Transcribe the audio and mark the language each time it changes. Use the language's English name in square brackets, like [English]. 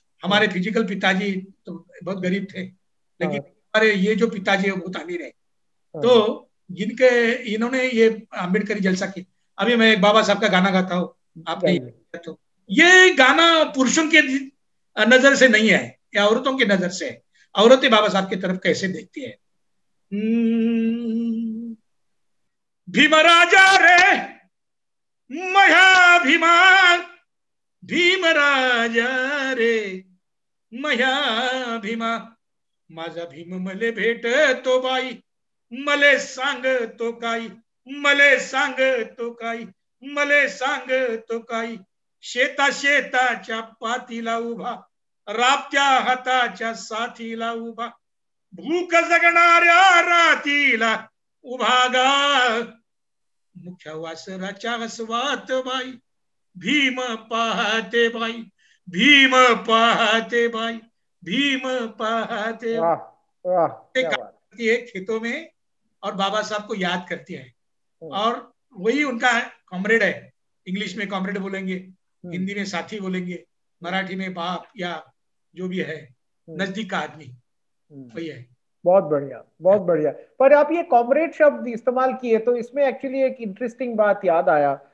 [Hindi] हमारे फिजिकल पिताजी तो बहुत गरीब थे, लेकिन हमारे ये जो पिताजी है वो तामीर है। तो जिनके इन्होंने ये अंबेडकरी जलसा की, अभी मैं एक बाबा साहब का गाना गाता हूँ आपने, तो ये गाना पुरुषों के नजर से नहीं है, ये औरतों की नजर से है। औरतें बाबा साहब की तरफ कैसे देखती है। [Marathi] भीम राजा रे महाभिमान, भीम राजा रे महाभिमान, माझा भीम मले भेट तो बाई, मले सांग तो काई, मले सांग तो काई, मले सांग तो काई, शेता शेताच्या पातीला उभा, राबत्या हाताच्या साथीला उभा, भूक जगणाऱ्या रातीला उभा गा, मुख्या वासराच्या हसवात बाई, भीम पाहते बाई, भीम पाहते बाई, भीम पाहते बाई। [Hindi] खेतों में और बाबा साहब को याद करती है, और वही उनका कॉमरेड है। इंग्लिश में कॉमरेड बोलेंगे, हिंदी में साथी बोलेंगे, मराठी में बाप या जो भी है नजदीक का आदमी वही है। बहुत बढ़िया, बहुत बढ़िया। पर आप ये कॉमरेड शब्द इस्तेमाल किए तो इसमें एक्चुअली एक इंटरेस्टिंग बात याद आया।